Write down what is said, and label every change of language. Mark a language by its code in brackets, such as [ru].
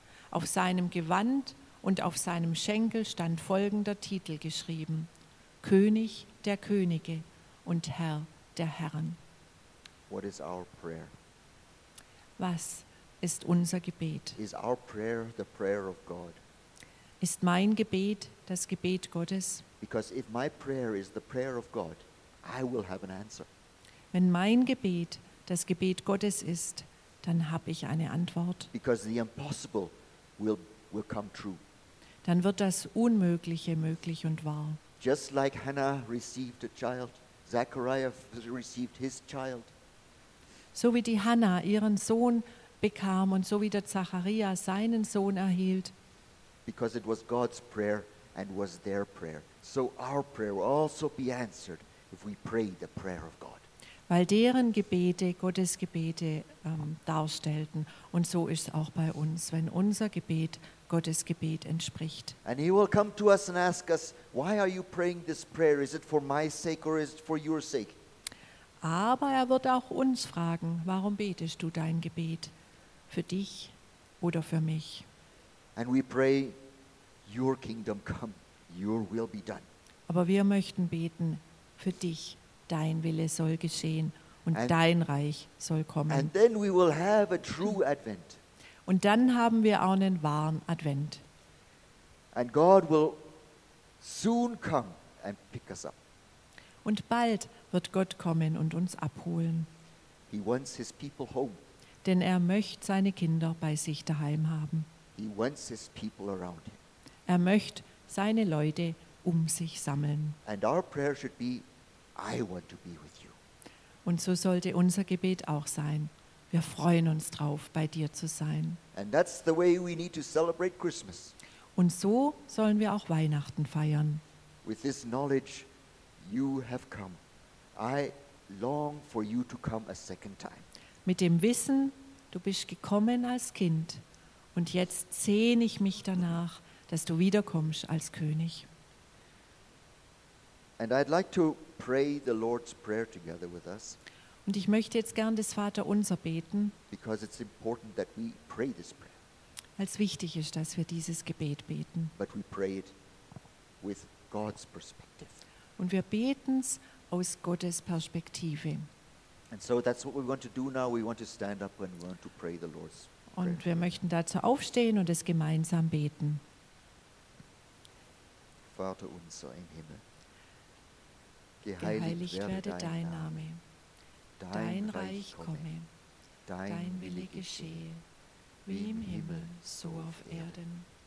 [de] Auf seinem Gewand und auf seinem Schenkel stand folgender Titel geschrieben: König der Könige und Herr der Herren. [en] What is our prayer? [de] Was ist unser Gebet? [en] Is our prayer the prayer of God? [de] Ist mein Gebet das Gebet Gottes? [en] Because if my prayer is the prayer of God, I will have an answer. [de] Wenn mein Gebet das Gebet Gottes ist, dann habe ich eine Antwort. [en] Because the impossible will come true. [de] Dann wird das Unmögliche möglich und wahr. [en] Just like Hannah received a child, Zachariah received his child. [de] So wie die Hannah ihren Sohn bekam und so wie der Zachariah seinen Sohn erhielt. [en] Because it was God's prayer and was their prayer. So our prayer will also be answered if we pray the prayer of God. [de] Weil deren Gebete Gottes Gebete darstellten. Und so ist es auch bei uns, wenn unser Gebet Gottes Gebet entspricht. [en] And he will come to us and ask us, why are you praying this prayer? Is it for my sake or is it for your sake? [de] Aber er wird auch uns fragen, warum betest du dein Gebet? Für dich oder für mich? [en] And we pray, your kingdom come, your will be done. [de] Aber wir möchten beten für dich. Dein Wille soll geschehen und dein Reich soll kommen. [en] And then we will have a true Advent. [de] Und dann haben wir auch einen wahren Advent. [en] And God will soon come and pick us up. [de] Und bald wird Gott kommen und uns abholen. [en] He wants his people home. [de] Denn er möchte seine Kinder bei sich daheim haben. [en] He wants his people around him. [de] Er möchte seine Leute um sich sammeln. [en] And our prayer should be, I want to be with you. [de] Und so sollte unser Gebet auch sein. Wir freuen uns drauf, bei dir zu sein. [en] And that's the way we need to celebrate Christmas. [de] Und so sollen wir auch Weihnachten feiern. [en] With this knowledge, you have come. I long for you to come a second time. [de] Mit dem Wissen, du bist gekommen als Kind. Und jetzt sehne ich mich danach, dass du wiederkommst als König. [en] And I'd like to pray the Lord's prayer together with us. [de] Und ich möchte jetzt gern das Vaterunser beten. [en] Because it's important that we pray this prayer. [de] Als wichtig ist, dass wir dieses Gebet beten. [en] But we pray it with God's perspective. [de] Und wir beten's aus Gottes Perspektive. [en] And so that's what we want to do now. We want to stand up and we want to pray the Lord's prayer. [de] Und wir möchten dazu aufstehen und es gemeinsam beten. Vater unser im Himmel. Geheiligt werde dein Name, dein Reich komme, dein Wille geschehe, wie im Himmel, so auf Erden.